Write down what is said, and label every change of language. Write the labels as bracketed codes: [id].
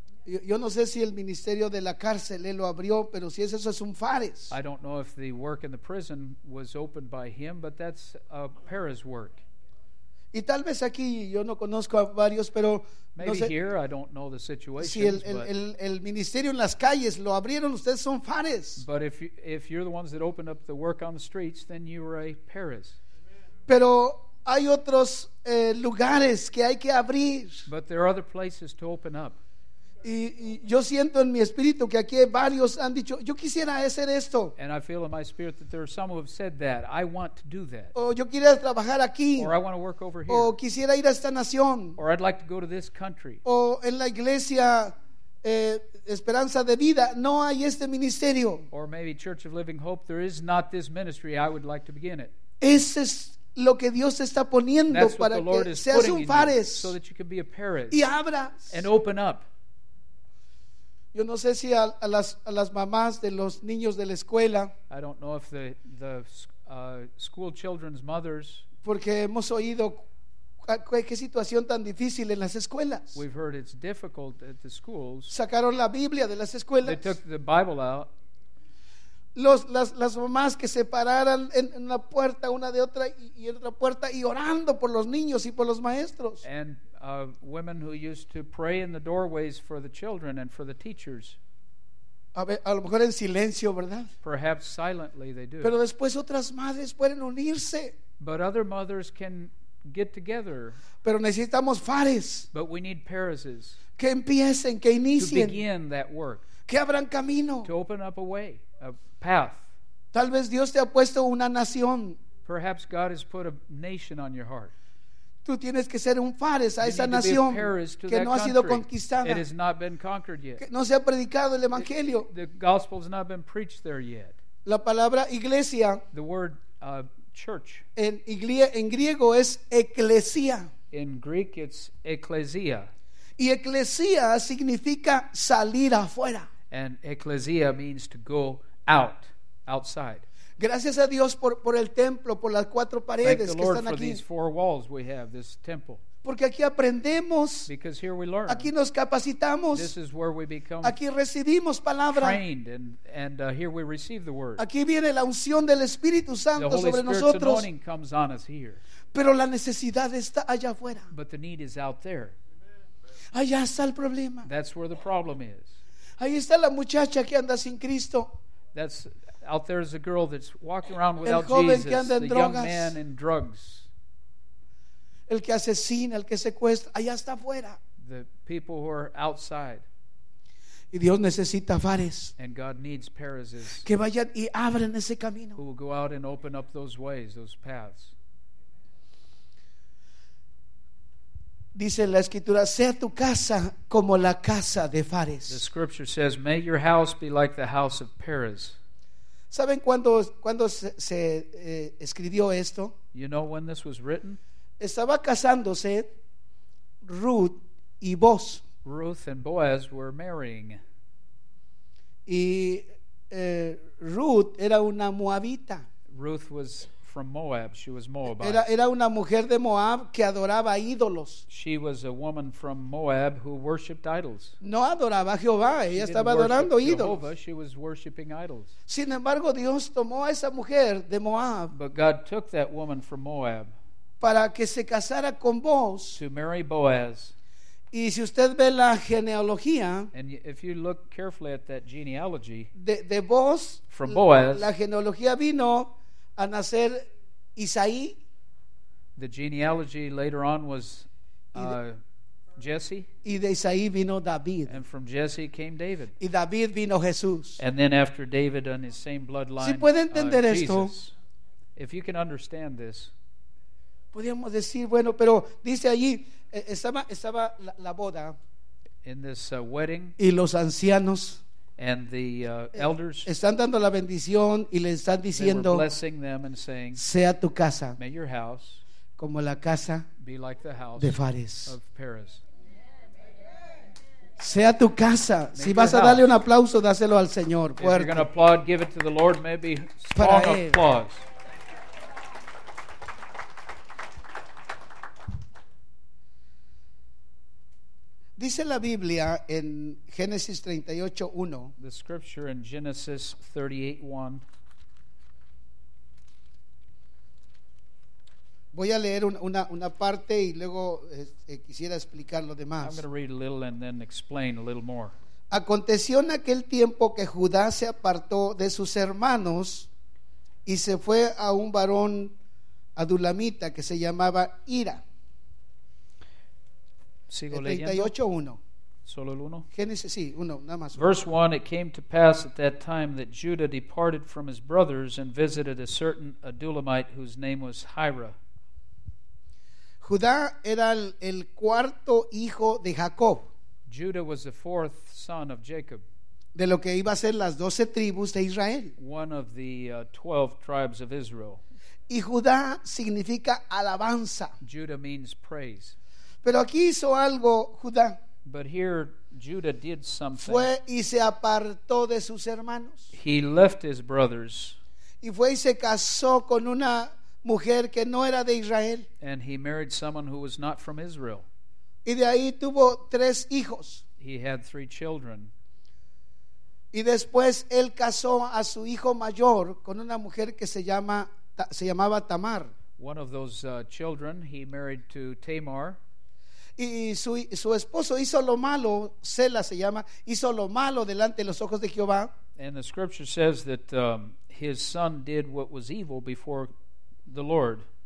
[es] Yo no sé si el ministerio de la cárcel él lo abrió, pero si es eso es un Fares. [en] I don't know if the work in the prison was opened by him, but that's a Paras work. [es] Y tal vez aquí yo no conozco a varios, pero [en] maybe [es] no sé [en] here, I don't know the situation. [es] Si el ministerio en las calles lo abrieron, ustedes son Fares. [en] But if you're the ones that opened up the work on the streets, then you are a Paras. [es] Pero hay otros lugares que hay que abrir. [en] But there are other places to open up. [es] Y yo siento en mi espíritu que aquí varios han dicho yo quisiera hacer esto. [en] And I feel in my spirit that there are some who have said that I want to do that. [es] O yo quiero trabajar aquí. [en] Or I want to work over here. [es] O quisiera ir a esta nación. [en] Or I'd like to go to this country. [es] O en la iglesia Esperanza de Vida no hay este ministerio. [en] Or maybe Church of Living Hope there is not this ministry I would like to begin it. [es] Ese es lo que Dios está poniendo para que seas un Fares. [en] So that you can be a Paras. [es] Y abras. [en] And open up. [es] Yo no sé si a las mamás de los niños de la escuela. [en] I don't know if the school children's mothers. [es] Porque hemos oído qué situación tan difícil en las escuelas. [en] We've heard it's difficult at the schools. [es] Sacaron la Biblia de las escuelas. [en] They took the Bible out. [es] Las mamás que se pararan en una puerta una de otra y en otra puerta y orando por los niños y por los maestros. [en] And women who used to pray in the doorways for the children and for the teachers. [es] A lo mejor en silencio, ¿verdad? [en] Perhaps silently they do. [es] Pero después otras madres pueden unirse. [en] But other mothers can get together. [es] Pero necesitamos Fares. [en] But we need Parises. [es] Que empiecen, que inicien. [en] To begin that work. [es] Que abran camino. [en] To open up a way, a path. [es] Tal vez Dios te ha puesto una nación. [en] Perhaps God has put a nation on your heart. [es] Tú tienes que ser un Fares a esa nación que no ha sido conquistada. [en] It has not been conquered yet. [es] Que no se ha predicado el evangelio. [en] The gospel has not been preached there yet. [es] La palabra iglesia. [en] The word church. [es] En griego es eclesia. [en] In Greek it's ecclesia. [es] Y eclesia significa salir afuera. [en] And ecclesia means to go out, outside. [es] Gracias a Dios por el templo, por las cuatro paredes que están aquí. [en] Thank the Lord for these four walls we have, this temple. [es] Porque aquí aprendemos. [en] Because here we learn. [es] Aquí nos capacitamos. [en] This is where we become. [es] Aquí recibimos palabra. [en] Trained and here we receive the word. [es] Aquí viene la unción del Espíritu Santo sobre nosotros. [en] The Holy Spirit's anointing comes on us here. [es] Pero la necesidad está allá afuera. [en] But the need is out there. [es] Allá está el problema. [en] That's where the problem is. [es] Ahí está la muchacha que anda sin Cristo. [en] That's out there is a girl that's walking around without [es] el joven [en] Jesus, [es] que anda en [en] the [es] drogas, [en] young man in drugs. [es] El que asesina, el que secuestra, allá está afuera. [en] The people who are outside. [es] Y Dios necesita Fares. [en] And God needs Paras. [es] Que vayan y abran ese camino. [en] Who will go out and open up those ways, those paths. [es] Dice la escritura, sea tu casa como la casa de Fares. [en] The scripture says, may your house be like the house of Paras. [es] ¿Saben cuándo se escribió esto? [en] You know when this was written? [es] Estaba casándose Ruth y Boaz. [en] Ruth and Boaz were marrying. [es] Y Ruth era una Moabita. [en] Ruth was from Moab. She was Moabite. [es] Era una mujer de Moab que adoraba ídolos. [en] She was a woman from Moab who worshipped idols. [es] No adoraba a Jehová. Ella estaba adorando ídolos. [en] Jehovah, she was worshipping idols. [es] Sin embargo, Dios tomó a esa mujer de Moab. [en] But God took that woman from Moab. [es] Para que se casara con Boaz. [en] To marry Boaz. [es] Y si usted ve la genealogía. [en] And if you look carefully at that genealogy. [es] De Boaz. [en] From Boaz. [es] La genealogía vino a nacer Isaí. [en] The genealogy later on was Jesse. [es] Y de Isaí vino David. [en] And from Jesse came David. [es] Y David vino Jesús. [en] And then after David on his same bloodline, [es] si puede entender esto, [en] Jesus. If you can understand this. [es] Podríamos decir, bueno, pero dice allí, estaba la boda. [en] In this wedding. [es] Y los ancianos. [en] And the elders [es] están dando la bendición y le están diciendo, [en] they were blessing them and saying, [es] sea tu casa, [en] may your house [es] como la casa [en] be like the house [es] de Fares. [en] Of Paras. [es] Sea tu casa. [en] Make [es] si vas a darle [en] house [es] un aplauso, dáselo al Señor fuerte. [en] If you're gonna applaud, give it to the Lord, maybe [es] para [en] strong [es] él [en] applause. [es] Dice la Biblia en Génesis 38:1. [en] The scripture in Genesis 38:1. [es] Voy a leer una parte y luego quisiera explicar lo demás. [en] I'm going to read a little and then explain a little more. [es] Aconteció en aquel tiempo que Judá se apartó de sus hermanos y se fue a un varón adulamita que se llamaba Ira. Sigo leyendo. 38:1. Solo el 1. Génesis, sí, 1, nada más. [en] Verse 1, it came to pass at that time that Judah departed from his brothers and visited a certain Adulamite whose name was Hira. [es] Judá era el cuarto hijo de Jacob. [en] Judah was the fourth son of Jacob. [es] De lo que iba a ser las 12 tribus de Israel. [en] One of the 12 tribes of Israel. [es] Y Judá significa alabanza. [en] Judah means praise. [es] Pero aquí hizo algo Judá. [en] But here Judah did something. [es] Fue y se apartó de sus hermanos. [en] He left his brothers. [es] Y fue y se casó con una mujer que no era de Israel. [en] And he married someone who was not from Israel. [es] Y de ahí tuvo tres hijos. [en] He had three children. [es] Y después él casó a su hijo mayor con una mujer que se llamaba Tamar. [en] One of those children he married to Tamar. [es] Y su esposo hizo lo malo, Sela se llama, hizo lo malo delante de los ojos de Jehová. [en] And the scripture says that his son did what was evil before the Lord.